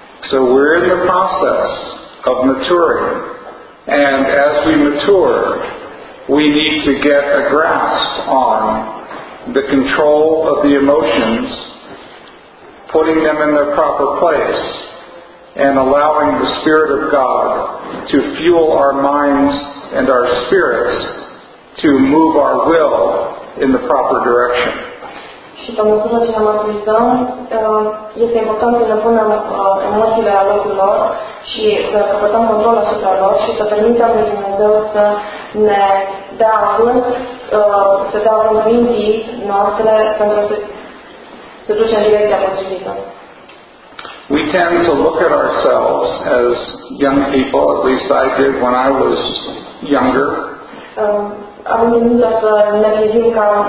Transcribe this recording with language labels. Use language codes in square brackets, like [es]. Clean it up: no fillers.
[en] So we're in the process of maturing, and as we mature, we need to get a grasp on the control of the emotions, putting them in their proper place, and allowing the Spirit of God to fuel our minds and our spirits to move our will in the proper direction. [ro] Și pe măsură ce ne maturizăm, este important să ne punem emoțiile la locul lor și să căpătăm control asupra lor și să permitem lui Dumnezeu să ne dea vânt, să dea vânt minții noastre pentru a se duce în direcția potrivită. [en] We tend to look at ourselves as young people, at least I did when I was younger. [ro] Avem tendința să ne privim ca